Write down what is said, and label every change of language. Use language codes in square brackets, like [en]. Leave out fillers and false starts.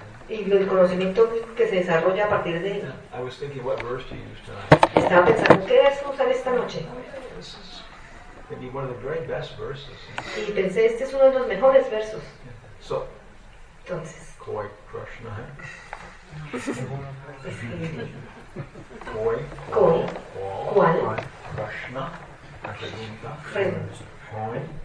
[es] y el conocimiento que se desarrolla a partir de ahí. [en] I was thinking, what verse to use tonight? [es] Estaba pensando, ¿qué verso usar esta noche? [en] This is one of the very best verses. [es] Y pensé, este es uno de los mejores versos. [en] Yeah. So, [es] entonces, Koi Krishna. ¿Cuál? Krishna. La pregunta. ¿Koi?